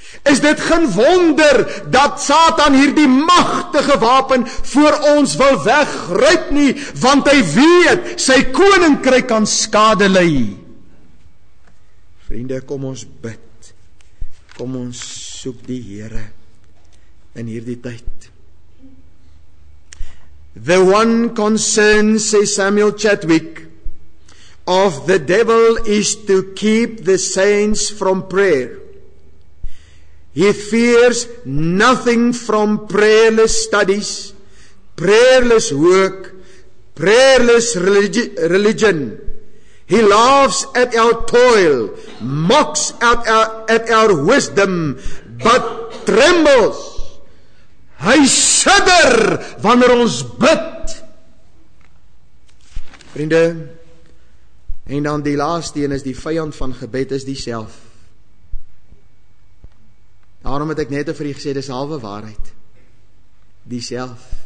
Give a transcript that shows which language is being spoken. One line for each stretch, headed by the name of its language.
Afrikaans: Is dit geen wonder dat Satan hierdie magtige wapen voor ons wil wegryp nie, want hy weet sy koninkryk kan skade ly. Vriende, kom ons bid. Kom ons soek die Here in hierdie tyd.
English: The one concern,
Afrikaans: sê
English: Samuel Chadwick, of the devil is to keep the saints from prayer. He fears nothing from prayerless studies, prayerless work, prayerless religion. He laughs at our toil, mocks at our wisdom, but trembles.
Afrikaans: Hy sidder wanneer ons bid. Vriende, en dan die laaste een is die vyand van gebed is dieself. Daarom het ek net vir u gesê, dis halwe waarheid. Dieself.